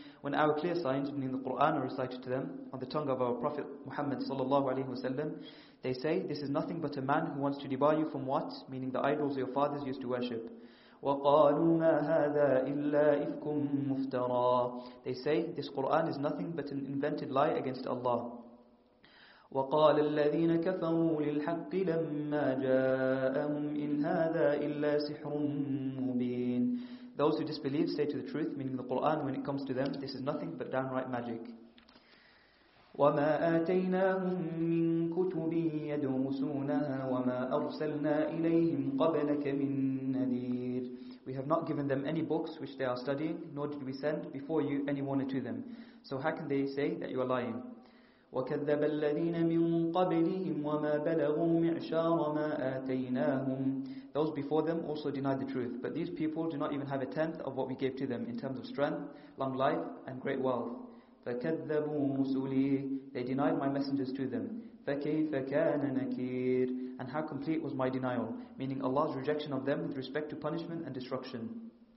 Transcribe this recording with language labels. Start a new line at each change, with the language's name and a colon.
English: when our clear signs, meaning the Quran, are recited to them on the tongue of our Prophet Muhammad sallallahu alaihi wasallam, they say, "This is nothing but a man who wants to debar you from what?" Meaning the idols your fathers used to worship.
Arabic: وَقَالُوا مَا هَذَا إِلَّا إِفْكٌ مُفْتَرًا.
English: They say, "This Quran is nothing but an invented lie against Allah."
Arabic: وقال الذين كفروا للحق لما جاءهم إن هذا إلا سحر مبين.
English: Those who disbelieve say to the truth, meaning the Quran, when it comes to them, this is nothing but downright magic.
Arabic: وما آتيناهم من كتب يدرسونها وما أرسلنا إليهم قبلك من نذير.
English: We have not given them any books which they are studying, nor did we send before you any warning to them. So how can they say that you are lying?
Arabic: وكذب الذين من قبلهم وما بلغوا معشار ما آتيناهم.
English: Those before them also denied the truth, but these people do not even have a tenth of what we gave to them in terms of strength, long life, and great wealth.
Arabic: فكذبوا رسلي.
English: They denied my messengers to them.
Arabic: فكيف كان نكير.
English: And how complete was my denial, meaning Allah's rejection of them with respect to punishment and destruction.